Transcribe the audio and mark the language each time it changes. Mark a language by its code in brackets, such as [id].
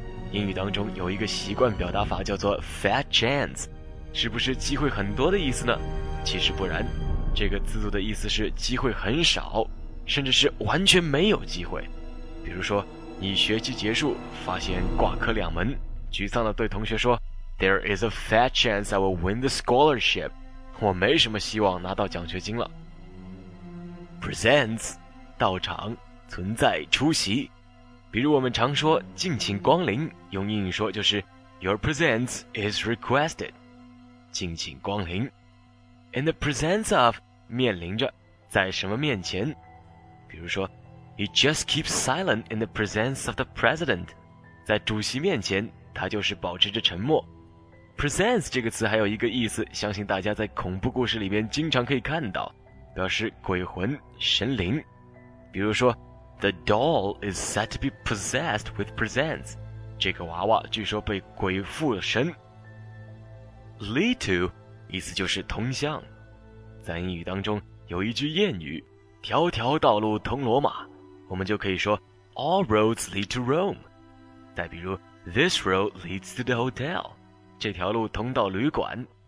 [zh] 英语当中有一个习惯表达法叫做 fat chance, 是不是机会很多的意思呢？其实不然，这个词组的意思是机会很少，甚至是完全没有机会。比如说，你学期结束，发现挂科两门，沮丧地对同学说 [en] There is a fat chance I will win the scholarship, [zh] 我没什么希望拿到奖学金了。 [en] Presence, [zh] 到场、存在、出席，比如我们常说敬请光临，用英语说就是 [en] Your presence is requested, [zh] 敬请光临。 [en] In the presence of, [zh] 面临着，在什么面前。比如说 [en] He just keeps silent in the presence of the president, [zh] 在主席面前他就是保持着沉默。Presence 这个词还有一个意思，相信大家在恐怖故事里面经常可以看到，表示鬼魂、神灵。比如说 [en] The doll is said to be possessed with presence. [zh] 这个娃娃据说被鬼附身。 [en] Lead to, [zh] 意思就是通向。在英语当中有一句谚语，条条道路通罗马，我们就可以说 [en] All roads lead to Rome. [zh] 再比如 [en] This road leads to the hotel. [zh] 这条路通到旅馆。